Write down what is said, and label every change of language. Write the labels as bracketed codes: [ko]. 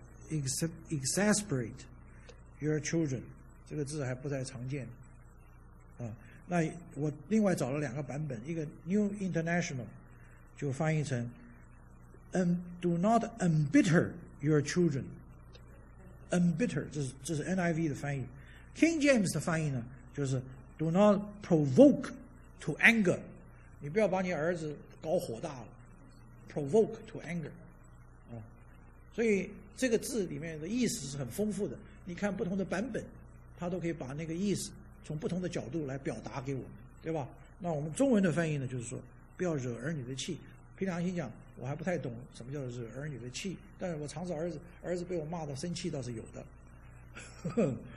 [en] Exasperate your children， [zh] 这个字还不太常见啊。那我另外找了两个版本，一个 New International 就翻译成 [en] Do not embitter your children. [zh] Embitter， 这是 NIV 的翻译。 King James 的翻译呢，就是 [en] Do not provoke to anger. [zh] 你不要把你儿子搞火大了。 [en] Provoke to anger. [zh] 啊，所以这个字里面的意思是很丰富的。你看不同的版本，它都可以把那个意思从不同的角度来表达给我们，对吧？那我们中文的翻译呢，就是说不要惹儿女的气。平常心讲，我还不太懂什么叫做儿女的气，但是我常说儿子被我骂的生气倒是有的。